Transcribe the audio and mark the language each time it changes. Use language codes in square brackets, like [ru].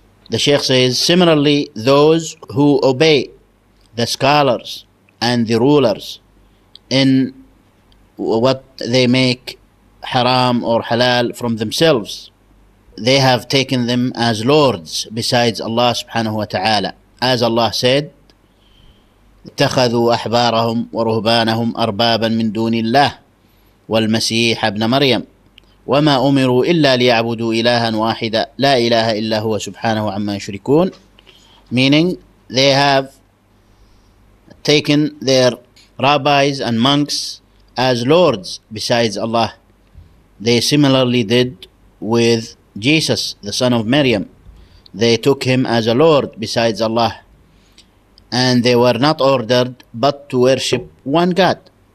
[en] The Shaykh says, similarly, those who obey the scholars and the rulers in what they make haram or halal from themselves, they have taken them as lords besides Allah subhanahu wa ta'ala. As Allah said, [ar] اتخذوا أحبارهم ورهبانهم أربابا من دون الله والمسيح ابن مريم وما أمروا إلا ليعبدوا إلها واحدا لا إله إلا هو سبحانه عما يشركون. [en] Meaning, they have taken their rabbis and monks as lords besides Allah. They similarly did with Jesus, the son of Maryam. They took him as a lord besides Allah. And they were not ordered but to worship one God.